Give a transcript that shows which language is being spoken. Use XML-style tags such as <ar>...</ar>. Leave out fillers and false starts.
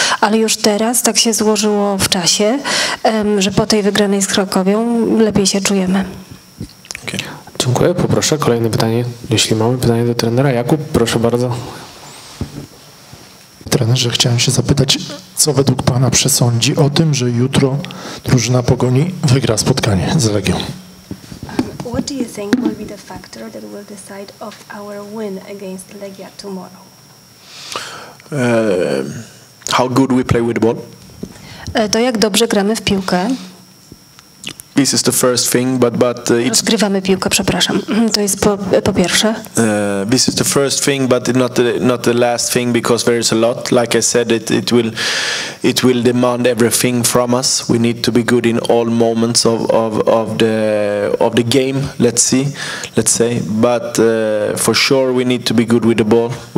<pl>Ale już teraz tak się złożyło w czasie, że po tej wygranej z Krakowią lepiej się czujemy. Okay. Dziękuję, poproszę. Kolejne pytanie, jeśli mamy pytanie do trenera. Jakub, proszę bardzo. Trenerze, chciałem się zapytać, co według pana przesądzi o tym, że jutro drużyna Pogoni wygra spotkanie z Legią?</pl> <en>What do you think will be the factor that will decide of our win against Legia tomorrow? How good we play with the ball?</en> <pl>To jak dobrze gramy w piłkę.</pl> <en>This is the first thing, but it's</en> <pl>rozgrywamy piłkę, przepraszam. To jest po pierwsze.</pl> <en>This is the first thing, but not the last thing, because there is a lot. Like I said, it will demand everything from us. We need to be good in all moments of the game. Let's say. But for sure, we need to be good with the ball.</en>